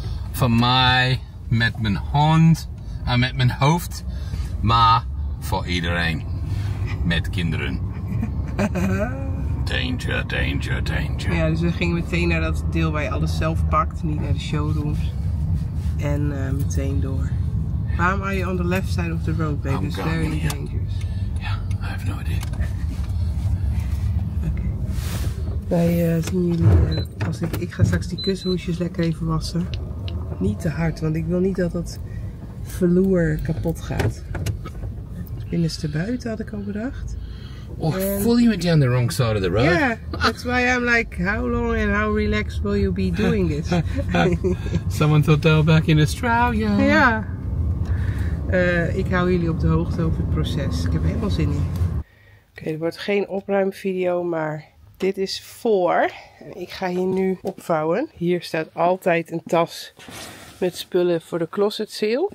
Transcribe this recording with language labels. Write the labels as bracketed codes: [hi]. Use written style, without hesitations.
[nl] Voor mij, met mijn hand en met mijn hoofd, maar voor iedereen, met kinderen. [en] Danger, danger, danger. [nl] Ja, dus we gingen meteen naar dat deel waar je alles zelf pakt, niet naar de showrooms. En meteen door. Waarom [en] are you on the left side of the road, babe? It's very dangerous. Yeah, I have no [nl] Wij zien jullie als ik ga straks die kussenhoesjes lekker even wassen. Niet te hard, want ik wil niet dat het velour kapot gaat. Binnenste buiten had ik al bedacht. [en] Oh, I fully met you on the wrong side of the road. Yeah, that's why I'm like, how long and how relaxed will you be doing this? Someone thought they were back in Australia. Ja. Yeah. [nl] Ik hou jullie op de hoogte over het proces. Ik heb helemaal zin in. Oké, het wordt geen opruimvideo, maar dit is voor. Ik ga hier nu opvouwen. Hier staat altijd een tas met spullen voor de closet sale.